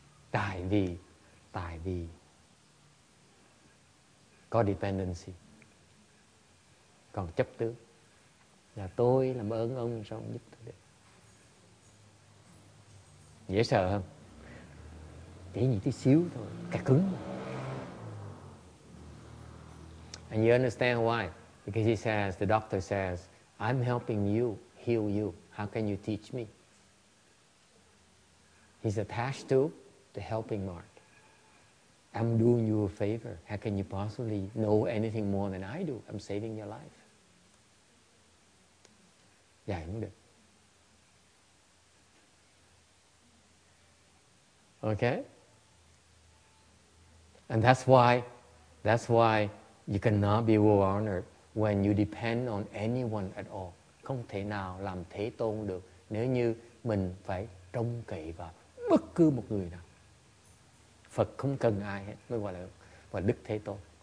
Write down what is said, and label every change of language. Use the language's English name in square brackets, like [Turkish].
[Vietnamese] Tại vì có dependency, còn chấp tướng là tôi làm ơn ông sao ông giúp tôi được. Dễ sợ không? Chỉ như tí xíu thôi, cả cứng. [English] And you understand why? Because he says, the doctor says, I'm helping you heal you. How can you teach me? He's attached to the helping mark. I'm doing you a favor. How can you possibly know anything more than I do? I'm saving your life. [Vietnamese] Dạy không được. [English] Okay? And that's why you cannot be well honored when you depend on anyone at all. [Vietnamese] Không thể nào làm thế tôn được nếu như mình phải trông cậy vào bất cứ một người nào. Phật không cần ai hết, mới gọi là Đức Thế Tôn.